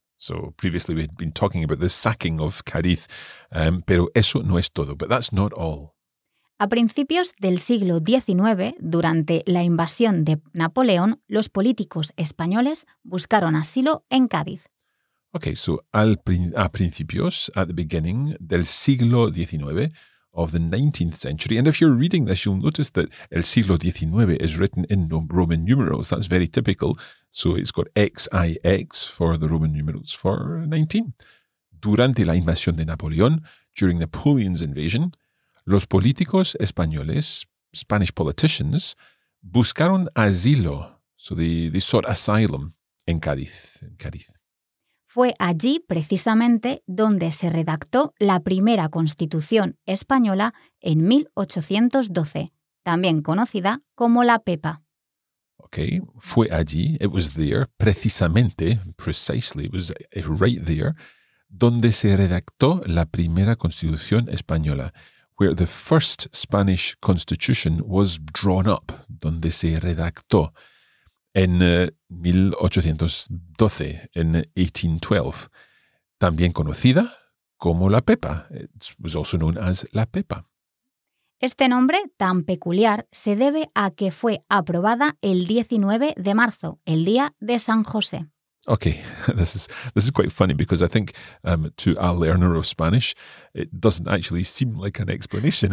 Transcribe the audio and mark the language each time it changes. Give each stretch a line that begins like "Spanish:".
English: So previously we had been talking about the sacking of Cádiz,
Spanish: pero eso no es todo.
English: But that's not all.
Spanish: A principios del siglo XIX, durante la invasión de Napoleón, los políticos españoles buscaron asilo en Cádiz.
English: Okay, so
Spanish: a principios,
English: at the beginning
Spanish: del siglo XIX,
English: of the 19th century. And if you're reading this, you'll notice that el siglo XIX is written in Roman numerals. That's very typical. So it's got XIX for the Roman numerals for 19.
Spanish: Durante la invasión de Napoleón,
English: during Napoleon's invasion,
Spanish: los políticos españoles,
English: Spanish politicians,
Spanish: buscaron asilo.
English: So they sought asylum in Cádiz.
Spanish: Fue allí precisamente donde se redactó la primera Constitución española en 1812, también conocida como la Pepa.
English: Okay,
Spanish: fue allí,
English: it was there,
Spanish: precisamente,
English: precisely, it was right there,
Spanish: donde se redactó la primera Constitución española,
English: where the first Spanish Constitution was drawn up,
Spanish: donde se redactó. En 1812, en 1812, también conocida como la Pepa.
English: It was also known as la Pepa.
Spanish: Este nombre tan peculiar se debe a que fue aprobada el 19 de marzo, el día de San José.
English: Okay, this is quite funny because I think to a learner of Spanish, it doesn't actually seem like an explanation.